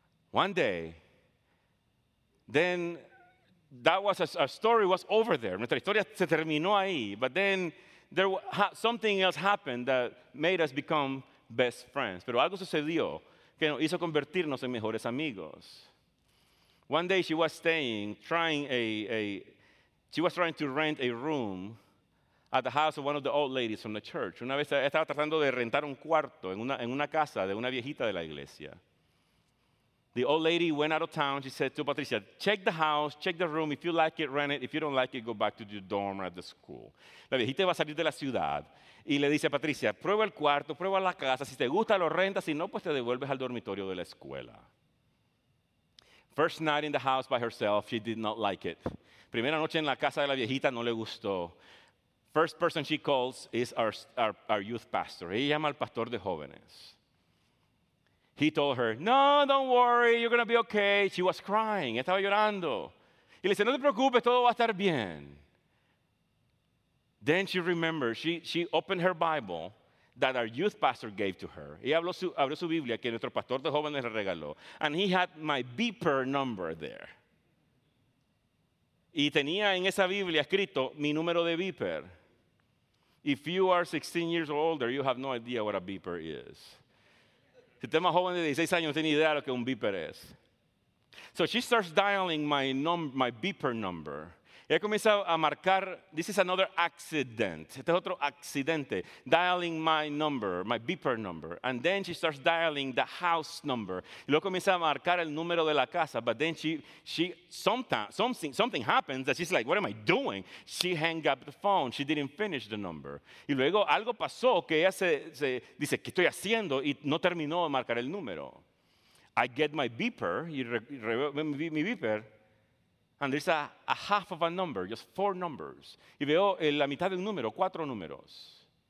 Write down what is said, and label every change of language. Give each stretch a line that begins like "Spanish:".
English: One day, then that was our story was over there.
Spanish: Nuestra historia se terminó ahí.
English: But then there something else happened that made us become best friends.
Spanish: Pero algo sucedió que nos hizo convertirnos en mejores amigos.
English: One day she was staying, trying to rent a room at the house of one of the old ladies from the church.
Spanish: Una vez estaba tratando de rentar un cuarto en una casa de una viejita de la iglesia.
English: The old lady went out of town. She said to Patricia, check the house, check the room. If you like it, rent it. If you don't like it, go back to your dorm or at the school.
Spanish: La viejita va a salir de la ciudad y le dice a Patricia, prueba el cuarto, prueba la casa. Si te gusta, lo rentas. Si no, pues te devuelves al dormitorio de la escuela.
English: First night in the house by herself, she did not like it.
Spanish: Primera noche en la casa de la viejita, no le gustó.
English: First person she calls is our youth pastor.
Spanish: Ella llama al pastor de jóvenes.
English: He told her, no, don't worry, you're going to be okay. She was crying,
Spanish: estaba llorando. Y le dice, no te preocupes, todo va a estar bien.
English: Then she remembered, she opened her Bible that our youth pastor gave to her.
Spanish: Ella abrió su Biblia que nuestro pastor de jóvenes le regaló.
English: And he had my beeper number there.
Spanish: Y tenía en esa Biblia escrito mi número de beeper.
English: If you are 16 years or older, you have no idea what a beeper is.
Spanish: Si usted es más joven de 16 años, no tiene idea lo que un beeper es.
English: So she starts dialing my beeper number.
Spanish: Ella comienza a marcar,
English: this is another accident.
Spanish: Este es otro accidente.
English: Dialing my number, my beeper number. And then she starts dialing the house number.
Spanish: Y luego comienza a marcar el número de la casa.
English: But then something happens that she's like, what am I doing? She hang up the phone. She didn't finish the number.
Spanish: Y luego algo pasó que ella se dice, ¿qué estoy haciendo? Y no terminó de marcar el número.
English: I get my beeper,
Spanish: mi beeper,
English: and there's a half of a number, just four numbers.
Spanish: Y veo la mitad de un número, cuatro números.